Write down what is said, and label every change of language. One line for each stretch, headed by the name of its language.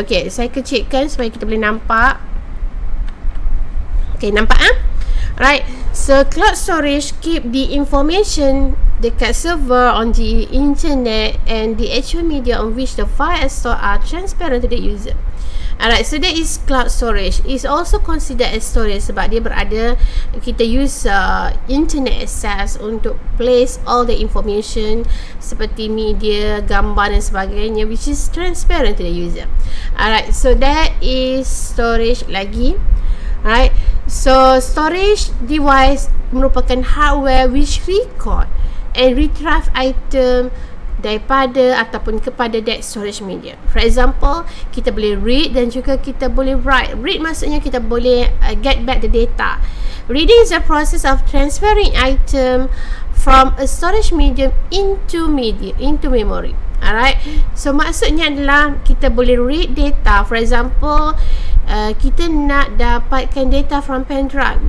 Malay: Okay, saya kecilkan supaya kita boleh nampak. Okay, nampak ah? Right.
English: So cloud storage keep the information dekat server, on the internet and the actual media on which the file is stored are transparent to the user. Alright, so that is cloud storage. It's also considered as storage
Malay: sebab dia berada, kita
English: use internet access untuk place all the information
Malay: seperti media, gambar dan sebagainya,
English: which is transparent to the user. Alright, so that is storage lagi. Alright, so storage device merupakan hardware which record and retrieve item
Malay: daripada ataupun kepada
English: that storage media. For example,
Malay: kita boleh read dan juga kita boleh write. Read maksudnya kita boleh
English: get back the data. Reading is a process of transferring item from a storage medium into media, into memory.
Malay: Alright, so maksudnya adalah kita boleh read data.
English: For example,
Malay: kita nak dapatkan
English: data from pen drive.